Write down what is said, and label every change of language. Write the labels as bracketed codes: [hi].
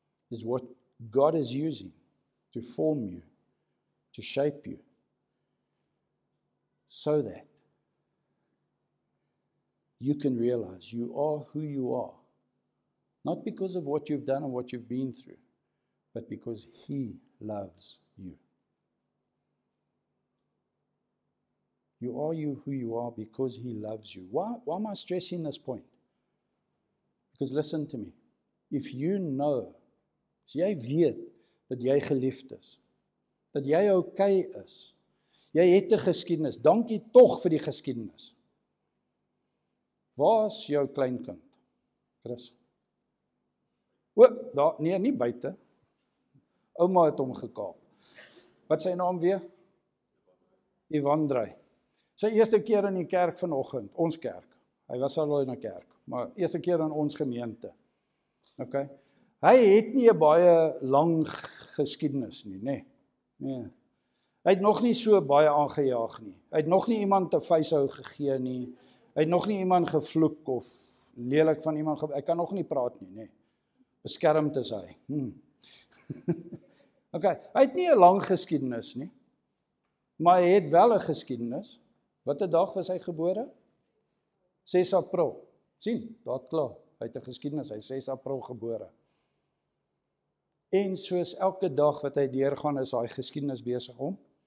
[en] is what God is using to form you, to shape you, so that you can realize you are who you are, not because of what you've done and what you've been through, but because he loves you. You are you who you are because he loves you. Why am I stressing this point? Because listen to me. If you know, [af] as jy weet dat jy geliefd is, dat jy okay is, jy het 'n geskiedenis, dankie tog vir die geskiedenis. Waar is jou kleinkind, Chris? O, daar, nee, nie buite. Ouma het hom gekaap. Wat sy naam weer? Evandrey. Sy eerste keer in die kerk vanoggend, ons kerk. Hy was al in die kerk, maar eerste keer in ons gemeente. Ok. Hy het nie 'n baie lang geskiedenis nie, nê? Nee. Hy het nog nie so baie aangejaag nie. Hy het nog nie iemand te vuishou gegee nie. Hy het nog nie iemand gevloek of lelik van iemand ek kan nog nie praat nie, nê. Beskermd is hy. Ok, hy het nie 'n lang geskiedenis nie. Maar hy het wel 'n geskiedenis. Watter dag was hy gebore? 6 April. Sien, daar klaar. Hy het 'n geskiedenis, hy is 6 April gebore. En soos elke dag wat hy deurgaan, is hy geskiedenis besig om.